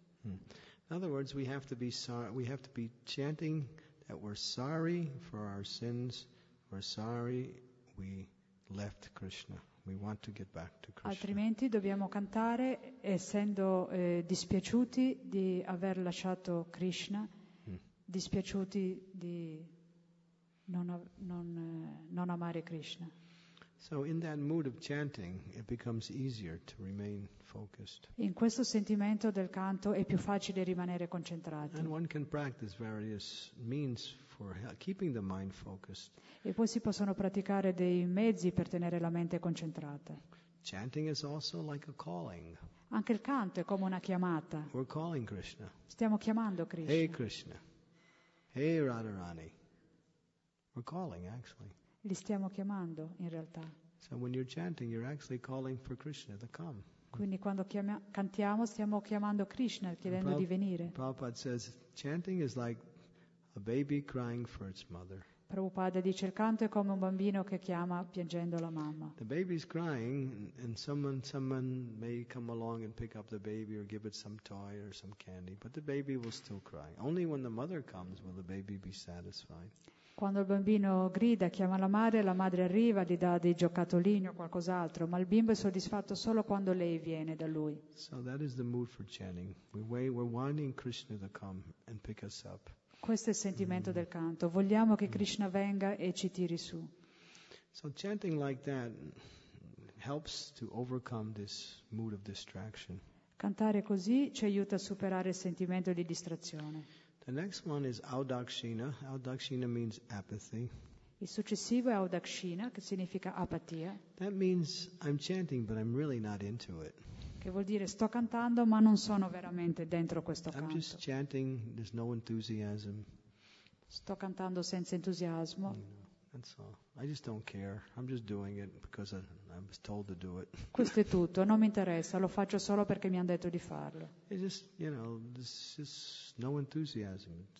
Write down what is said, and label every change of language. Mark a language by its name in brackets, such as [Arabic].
[English] In other words, we have to be chanting that we're sorry for our sins, we're sorry we left Krishna. We want to get back to Krishna. [Italian] Altrimenti dobbiamo cantare essendo dispiaciuti di aver lasciato Krishna, dispiaciuti di non amare Krishna. [English] So in that mood of chanting, it becomes easier to remain focused. [Italian] In questo sentimento del canto è più facile rimanere concentrati. [English] And one can practice various means for keeping the mind focused. [Italian] E poi si possono praticare dei mezzi per tenere la mente concentrata. [English] Chanting is also like a calling. [Italian] Anche il canto è come una chiamata. [English] We're calling Krishna. [Italian] Stiamo chiamando Krishna. [English] Hey Krishna. Hey Radharani. We're calling actually. [Italian] Li stiamo chiamando in realtà. [English] So when you're chanting, you're actually calling for Krishna to come. [Italian] Quindi quando cantiamo stiamo chiamando Krishna, chiedendo di venire. [English] Prabhupada says chanting is like a baby crying for its mother. [Italian] Prabhupada dice il canto è come un bambino che chiama piangendo la mamma. [English] The baby is crying and someone may come along and pick up the baby or give it some toy or some candy, but the baby will still cry. Only when the mother comes will the baby be satisfied. [Italian] Quando il bambino grida, chiama la madre arriva, gli dà dei giocattolini o qualcos'altro, ma il bimbo è soddisfatto solo quando lei viene da lui. [English] So that is the mood for chanting. We're wanting Krishna to come and pick us up. [Italian] Questo è il sentimento del canto. Vogliamo che Krishna venga e ci tiri su. [English] So chanting like that helps to overcome this mood of distraction. [Italian] Cantare così ci aiuta a superare il sentimento di distrazione. [English] The next one is audakshina. Audakshina means apathy. [Italian] Il successivo è audakshina, che significa apatia. [English] That means I'm chanting, but I'm really not into it. [Italian] Che vuol dire sto cantando, ma non sono veramente dentro questo canto. [English] I'm just chanting. There's no enthusiasm. [Italian] Sto cantando senza entusiasmo. [English] That's all. I just don't care. I'm just doing it because I was told to do it. [Italian] Questo è tutto. Non mi interessa. Lo faccio solo perché mi hanno detto di farlo. [English] It's just, you know, there's just no enthusiasm.